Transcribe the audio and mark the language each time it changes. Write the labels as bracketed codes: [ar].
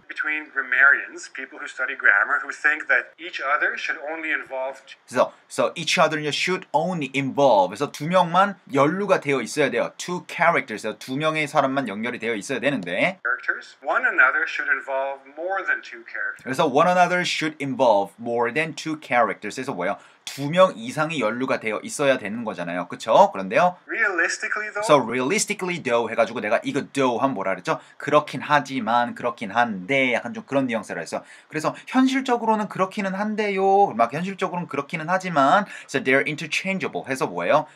[en] between grammarians people who study grammar who think that each other should only involve So each other should only involve. [ko] 그래서 두 명만 연루가 되어 있어야 돼요. [en] Two characters. [ko] 두 명의 사람만 연결이 되어 있어야 되는데. [en] Characters. One another should involve more than two characters. [ko] 그래서 [en] one another should involve more than two characters. [ko] 그래서 뭐예요? 두 명 이상이 연루가 되어 있어야 되는 거잖아요. 그렇죠? 그런데요. [en] Realistically though. So realistically though [ko] 해가지고 내가 이거 though 한 뭐라 그랬죠? 그렇긴 하지만 그렇긴 한데 약간 좀 그런 뉘앙스라 했어. 그래서 현실적으로는 그렇기는 한데요. 막 현실적으로는 그렇기는 하지만 [en] so they're interchangeable [ko] 해서 뭐예요?